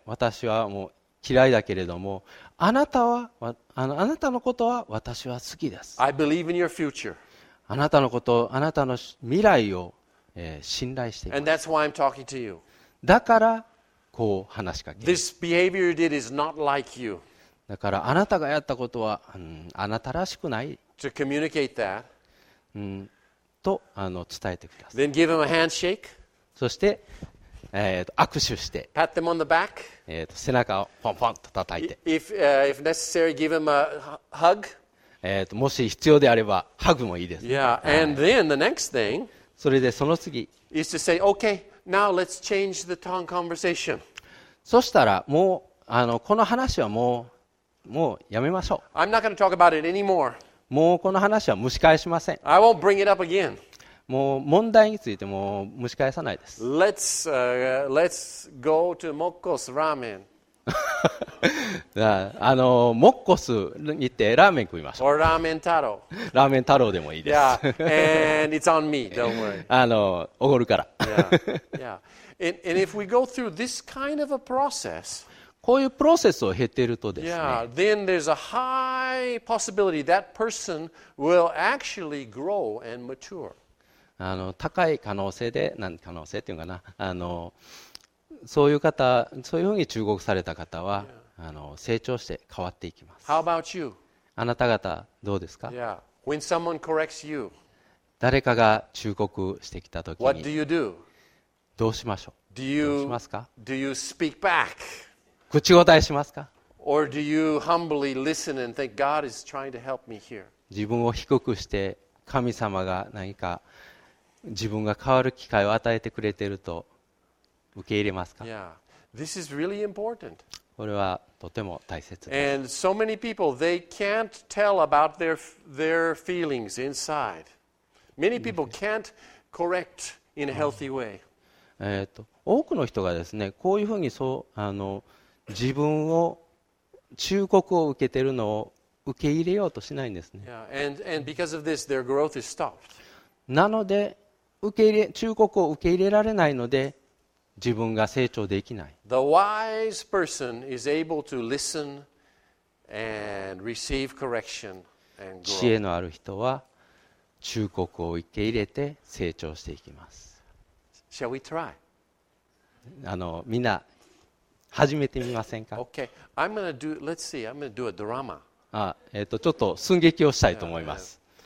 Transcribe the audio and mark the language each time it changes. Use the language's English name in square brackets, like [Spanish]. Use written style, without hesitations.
[Japanese] 私はもう嫌いだけれども、あなたのことは私は好きです。 [English] I believe in your future. [Japanese] あなたのこと、あなたの未来を、信頼しています。 [English] And that's why I'm talking to you. [Japanese] だからこう話しかける。 [English] This behavior you did is not like you. [Japanese] だからあなたがやったことは、あなたらしくない。 [English] To communicate that. [Japanese] と伝えてください。 [English] Then give him a handshake. [Japanese] そして、握手して、 [English] Pat them on the back. [Japanese] 背中をポンポンと叩いて、 [English] if necessary, give him a hug. [Japanese] もし必要であればハグもいいです。 [English] Yeah, and then the next thing. [Japanese] それでその次 [English] is to say, okay, now let's change the tongue conversation. [Japanese] そしたらもうこの話はもうやめましょう。 [English] I'm not going to talk about it anymore. [Japanese] もうこの話は蒸し返しません。 [English] I won't bring it up again. [Japanese] もう問題についても蒸し返さないです。 [English] let's go to Mokko's ramen. [Japanese] Mokko's に行ってラーメン食いましょう。 [English] Or ramen taro. [Japanese] ラーメン太郎でもいいです。 [English] Yeah, and it's on me, don't worry. [Japanese] おごるから。 [English] And if we go through this kind of a process, [Japanese] こういうプロセスを経ているとですね。 [English] Yeah, then there's a high possibility that person will actually grow and mature. [Japanese] 高い可能性で、何可能性っていうかな、そういう方、そういうふうに忠告された方は、 [English] yeah. [Japanese] 成長して変わっていきます。 [English] How about you? [Japanese] あなた方どうですか? [English] Yeah. When someone corrects you, [Japanese] 誰かが忠告してきたときに、 [English] What do you do? [Japanese] どうしましょう? どうしますか? [English] Do you speak back? [Japanese] 口答えしますか? [English] Or do you humbly listen and think God is trying to help me here? [Japanese] 自分を低くして神様が何か自分が変わる機会を与えてくれていると受け入れますか? [English] Yeah, this is really important. [Japanese] これはとても大切です。 [English] And so many people, they can't tell about their feelings inside. Many people can't correct in a healthy way. [Japanese] 多くの人がですね、こういうふうにそう自分を忠告を受けているのを受け入れようとしないんですね。 [English] Yeah, and because of this, their growth is stopped. [Japanese] なので忠告を受け入れられないので自分が成長できない。 [English] The wise person is able to listen and receive correction and grow. [Japanese] 知恵のある人は忠告を受け入れて成長していきます。 [English] Shall we try? [Japanese] みんな始めてみませんか? [English] Okay. I'm going to do a drama. [Japanese] ちょっと寸劇をしたいと思います。